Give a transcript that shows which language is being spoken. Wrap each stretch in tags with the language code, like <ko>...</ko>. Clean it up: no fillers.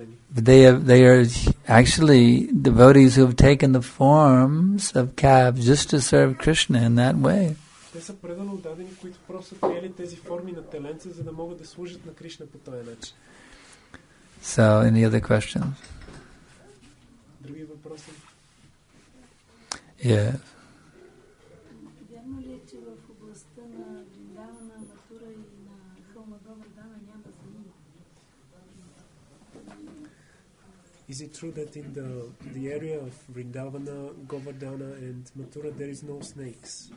<en>They are actually devotees who have taken the forms of calves just to serve Krishna in that way.</en> <bg>Те са предано отдадени, които просто приели тези форми на теленца, за да могат да служат на Кришна по този начин.</bg> <en>So, any other questions?</en> <bg>Други въпроси?</bg> <en>Yes.</en> <bg>Вярно ли е, че в областта на Вриндавана, на Матура и на Хълма Добродана няма земи?</bg> <en>Is it true that in the area of Vrindavana, Govardhana and Mathura there is no snakes?</en>